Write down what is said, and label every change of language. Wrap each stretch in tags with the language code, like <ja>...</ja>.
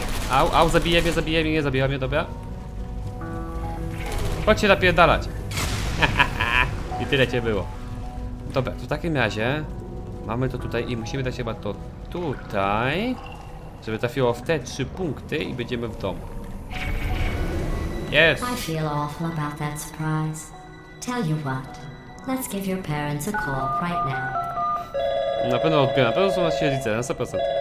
<pl>Au, au, zabije mnie, zabije mnie, nie zabija mnie, dobra. Chodź się napierdalać. I tyle cię było. Dobra, to w takim razie mamy to tutaj i musimy dać chyba to tutaj, żeby trafiło w te trzy punkty i będziemy w domu.</pl> <en>Yes. I feel awful about that surprise. Tell you what. Let's give your parents a call right now.</en> <pl>Na pewno odbieram. Na pewno są nasi rodzice, na 100%.</pl>